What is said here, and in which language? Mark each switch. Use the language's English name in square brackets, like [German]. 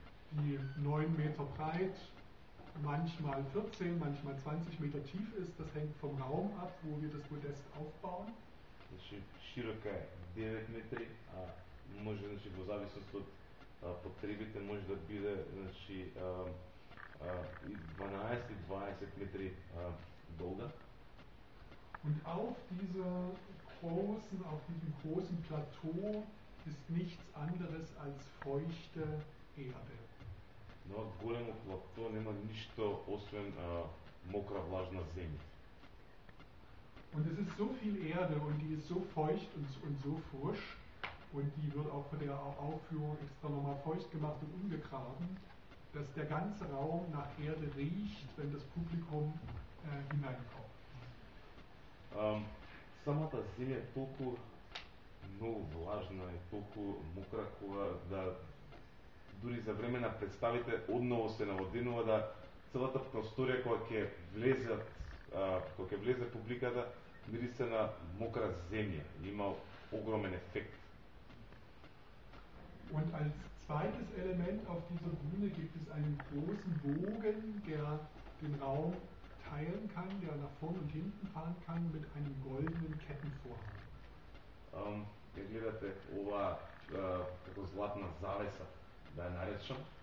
[German] Die 9 Meter breit, manchmal 14, manchmal 20 Meter tief ist, das hängt vom Raum ab, wo wir das Podest aufbauen. [Macedonian] Значи широка е 9 метри, а може значи во зависност од потребите може да биде значи 12 и 20 метри долга. [German] Und auf dieser großen, auf diesem großen Plateau ist nichts anderes als feuchte Erde. [Macedonian] Но големо плато нема ништо освен мокра влажна земја. [German] Und es ist so viel Erde und die ist so feucht und so frisch und die wird auch von der Aufführung extra nochmal feucht gemacht und umgegraben, dass der ganze Raum nach Erde riecht, wenn das Publikum hineinkommt. [Macedonian] Самата земја толку многу влажна и толку мокра, кога да дури за време на представите одново се наводинува да целата просторија која ќе влезе публиката мирисе на мокра земја, има огромен ефект. [German] Und als zweites Element auf dieser Bühne gibt es einen großen Bogen, der den Raum teilen kann, der nach vorn und hinten fahren kann mit einem goldenen Kettenvorhang. [Macedonian] Гледате ова како златна завеса, да ја наречам.